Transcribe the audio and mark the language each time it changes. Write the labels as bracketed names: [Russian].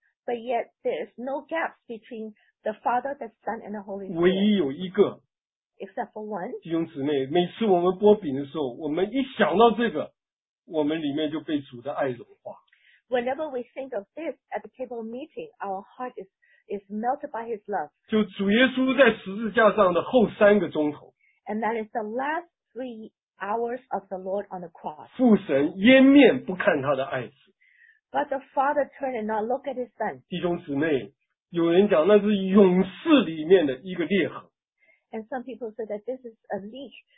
[English] But yet there is no gaps between the Father, the Son, and the Holy Spirit. [Chinese] 唯一有一个。 [English] Except for one. [Chinese] 弟兄姊妹，每次我们擘饼的时候，我们一想到这个，我们里面就被主的爱融化。 [English] Whenever we think of this at the table meeting, our heart is melted by His love. [Chinese] 就主耶稣在十字架上的后三个钟头。 [English] And that is the last 3 hours of the Lord on the cross. [Chinese] 父神掩面不看他的爱子。 [English] But the Father turned and not look at His Son. [Chinese] 弟兄姊妹，有人讲那是勇士里面的一个裂痕。 [English] And some people say that this is a leak,